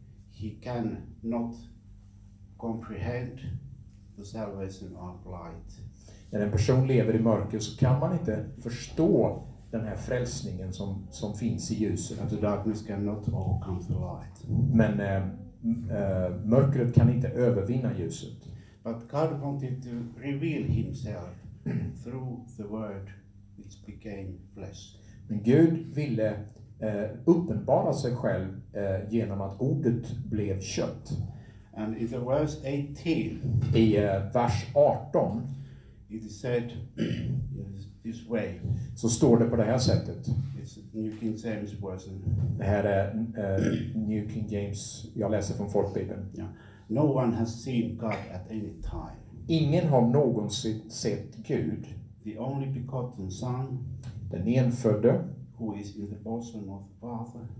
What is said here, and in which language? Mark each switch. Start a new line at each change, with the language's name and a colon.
English: He can not comprehend the salvation of light.
Swedish: När en person lever i mörker så kan man inte förstå den här frälsningen som finns i ljuset.
English: And the darkness cannot overcome the light.
Swedish: Men mörkret kan inte övervinna ljuset.
English: But God wanted to reveal himself through the word which became flesh.
Swedish: Men Gud ville uppenbara sig själv genom att ordet blev kött.
English: And in the verse 18,
Swedish: i vers 18,
English: it is said this way.
Swedish: Så står det på det här sättet.
English: It's New King James version.
Swedish: Det här är New King James. Jag läser från Folkbibeln.
English: Yeah. No one has seen God at any time.
Swedish: Ingen har någonsin sett Gud.
English: The only begotten Son.
Swedish: Den enfödde.
English: Who is in the bosom of the Father.